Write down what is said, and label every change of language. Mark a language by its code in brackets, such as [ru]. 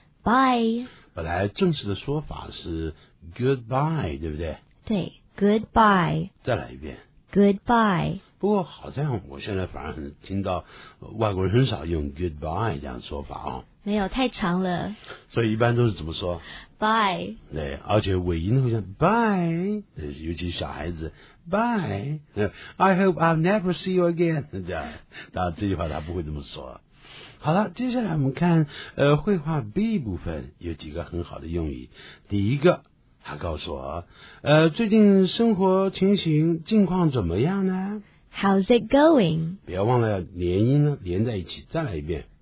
[en] Bye。 [zh] 本来正式的说法是 goodbye， 对不对？对 ，goodbye。再来一遍。 [en] Goodbye。 [zh] 不过好像我现在反而很听到外国人很少用 goodbye 这样的说法哦。没有，太长了。所以一般都是怎么说 [en] ？Bye。对，而且尾音好像 bye，尤其小孩子 bye，I hope I'll never see you again 这样。 [zh] 当然这句话他不会这么说。好了，接下来我们看绘画 B 部分有几个很好的用语。第一个，他告诉我最近生活情形近况怎么样呢？ [en] How's it going? [zh] 不要忘了连音呢，连在一起，再来一遍。